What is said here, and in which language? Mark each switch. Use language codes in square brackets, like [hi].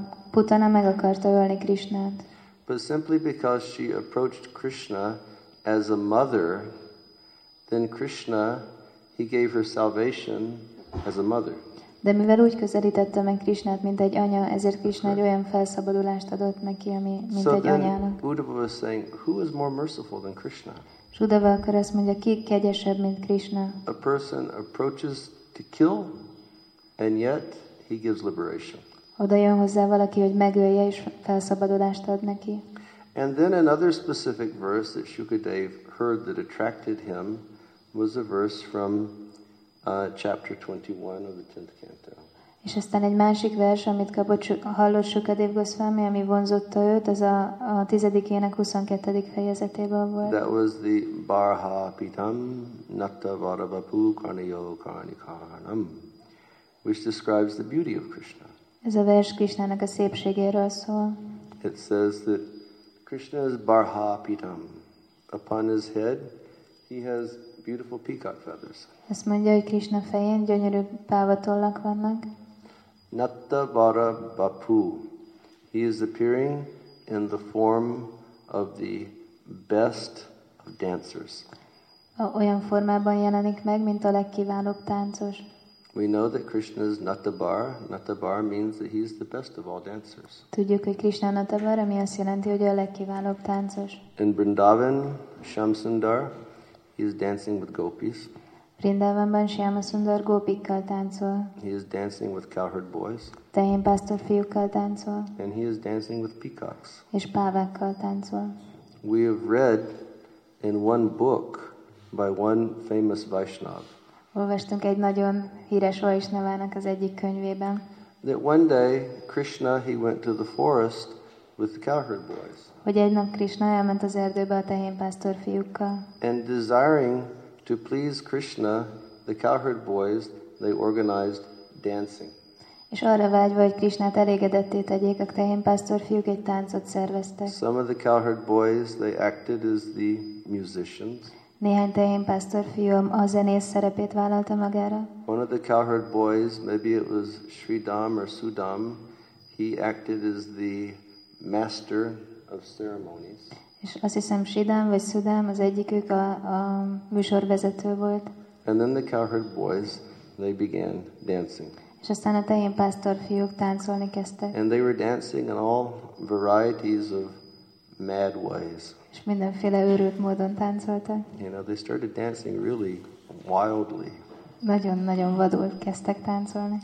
[hu] Putana meg akarta ölni Krishnát. [en] But simply because she approached Krishna as a mother, then Krishna, he gave her salvation as a mother. [hu] De mivel úgy közelítette meg Krishnát, mint egy anya, ezért Krishna egy olyan felszabadulást adott neki, ami mint [en] so [hu] egy anyának. [en] So then Uddhava was saying, who is more merciful than Krishna? [hu] Uddhava akkor azt mondja, ki kegyesebb, mint Krishna? [en] A person approaches to kill, and yet he gives liberation. [hu] Oda jön hozzá valaki, hogy megölje, és felszabadulást ad neki. [en] And then another specific verse that Shukadev heard that attracted him was a verse from chapter 21 of the 10th canto. [hu] És aztán egy másik vers, amit kapott, hallott Shukadev Goswami, ami vonzotta őt, az a tizedik ének 22. fejezetében volt. [en] That was the [sa] Barha Pitam Natta Varavapu Karnayo Karnikarnam, [en] which describes the beauty of Krishna. [hu] Ez a vers Krishnának a szépségéről szól. [en] It says that Krishna's Barha Pitam, upon his head, he has beautiful peacock feathers. [hu] Ezt mondja, hogy Krishna fején gyönyörű pávatollak vannak. [sa] Natta Vara Bapu. [en] He is appearing in the form of the best of dancers. [hu] Olyan formában jelenik meg, mint a legkiválóbb táncos. [en] We know that Krishna is Natabar. Natabar means that he is the best of all dancers. [hu] Tudjuk, hogy Krishna Natabar, ami azt jelenti, hogy a legkiválóbb táncos. [en] In Vrindavan, Shamsundar, he is dancing with gopis. [hu] Vrindavanban Shyamasundar gópikkal táncol. [en] He is dancing with cowherd boys. [hu] Tehén pásztor fiúkkal táncol. [en] And he is dancing with peacocks. [hu] És pávákkal táncol. [en] We have read in one book by one famous Vaishnav. [hu] Olvastunk egy nagyon híres Vaishnavának az egyik könyvében. [en] That one day Krishna he went to the forest with the cowherd boys. [hu] Hogy egy nap Krishna elment az erdőbe a tehén pásztor fiúkkal. [en] And desiring to please Krishna, the cowherd boys, they organized dancing. [hu] És arra vágyva, hogy Krishnát elégedetté tegyék, a tehénpásztor fiúk egy táncot szerveztek. [en] Some of the cowherd boys, they acted as the musicians. [hu] Néhány tehénpásztor fiú a zenész szerepét vállalta magára. [en] One of the cowherd boys, maybe it was Sridham or Sudham, he acted as the master of ceremonies. [hu] És azt hiszem, Sridham vagy Sudham, az egyikük a műsorvezető volt. [en] And then the cowherd boys, they began dancing. [hu] És aztán a tehén pásztor fiúk táncolni kezdtek. [en] And they were dancing in all varieties of mad ways. [hu] És mindenféle őrült módon táncoltak. [en] You know, they started dancing really wildly. [hu] Nagyon-nagyon vadul kezdtek táncolni.